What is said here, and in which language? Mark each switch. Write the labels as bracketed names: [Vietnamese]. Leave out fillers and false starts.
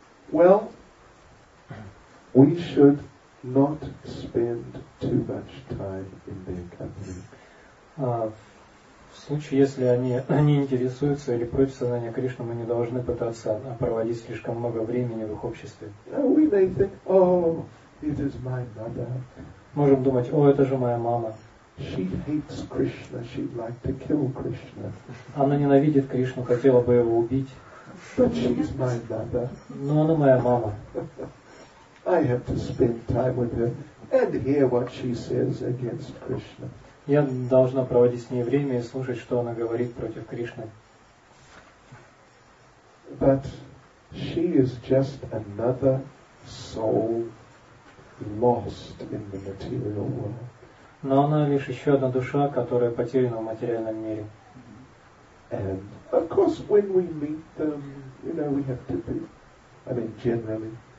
[English] Well, we should not spend too much time in their company. [Russian] В случае, если они интересуются или против сознания Кришны, мы не должны пытаться проводить слишком много времени в их обществе. [English] We may think, oh, it is my mother. [Russian] Можем думать, о, это же моя мама. [English] She hates Krishna. She'd like to kill Krishna. [Russian] Она ненавидит Кришну, хотела бы его убить. [English] But she's my mother. [Russian] Но она моя мама. [English] I have to spend time with her and hear what she says against Krishna. [Russian] Я должна проводить с ней время и слушать, что она говорит против Кришны. [English] But she is just another soul lost in the material world. [Russian] Но она лишь еще одна душа, которая потеряна в материальном мире. [English] And of course, when we meet them, you know, we have to be, I mean, generally.